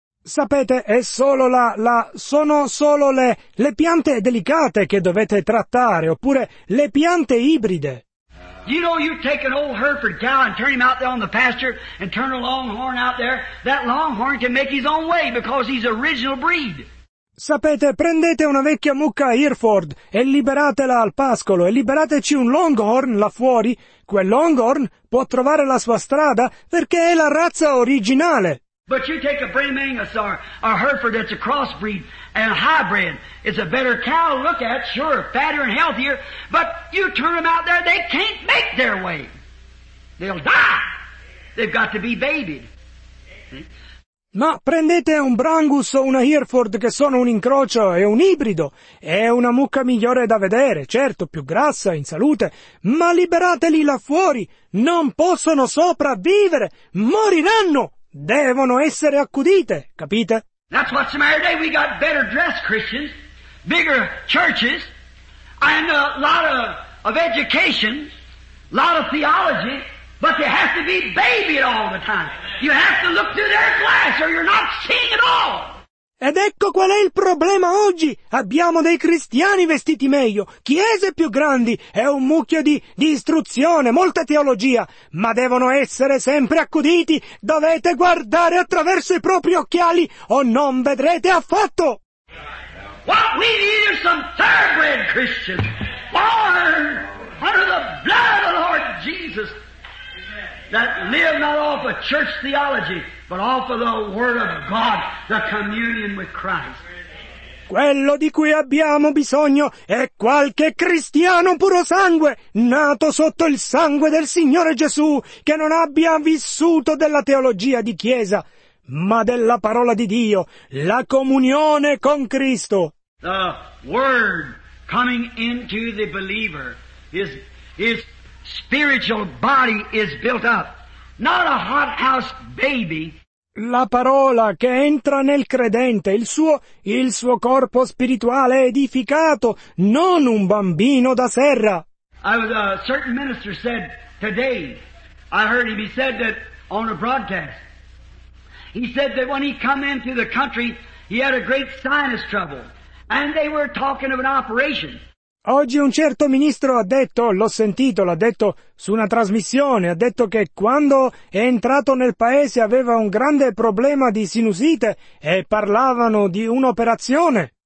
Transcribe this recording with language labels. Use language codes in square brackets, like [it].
[it] Sapete, è solo sono solo le piante delicate che dovete trattare, oppure le piante ibride. [en] You know, you take an old Hereford cow and turn him out there on the pasture and turn a longhorn out there, that longhorn can make his own way because he's original breed. [it] Sapete, prendete una vecchia mucca Hereford e liberatela al pascolo e liberateci un longhorn là fuori. Quel longhorn può trovare la sua strada perché è la razza originale. [en] But you take a Bray Mangus or Hereford that's a crossbreed and a hybrid. It's a better cow to look at, sure, fatter and healthier. But you turn them out there, they can't make their way. They'll die. They've got to be babied. [it] Ma prendete un Brangus o una Hereford che sono un incrocio e un ibrido. È una mucca migliore da vedere, certo, più grassa, in salute. Ma liberateli là fuori! Non possono sopravvivere! Moriranno! Devono essere accudite, capite? [en] That's what's the matter today. We got better dressed Christians, bigger churches, and a lot of education, a lot of theology. But you have to be babied all the time. You have to look through their glass or you're not seeing at all. [it] Ed ecco qual è il problema oggi. Abbiamo dei cristiani vestiti meglio, chiese più grandi, è un mucchio di istruzione, molta teologia, ma devono essere sempre accuditi. Dovete guardare attraverso i propri occhiali o non vedrete affatto. [en] What we need is some thoroughbred Christians born under the blood of the Lord Jesus. That live not off of church theology, but off of the Word of God, the communion with Christ. [it] Quello di cui abbiamo bisogno è qualche cristiano puro sangue, nato sotto il sangue del Signore Gesù, che non abbia vissuto della teologia di chiesa, ma della parola di Dio, la comunione con Cristo. [en] The Word coming into the believer is spiritual body is built up, not a hothouse baby. [it] La parola che entra nel credente, il suo corpo spirituale edificato, non un bambino da serra. [en] A certain minister said today, I heard him, he said that on a broadcast, he said that when he come into the country, he had a great sinus trouble, and they were talking of an operation. [it] Oggi un certo ministro ha detto, l'ho sentito, l'ha detto su una trasmissione, ha detto che quando è entrato nel paese aveva un grande problema di sinusite e parlavano di un'operazione.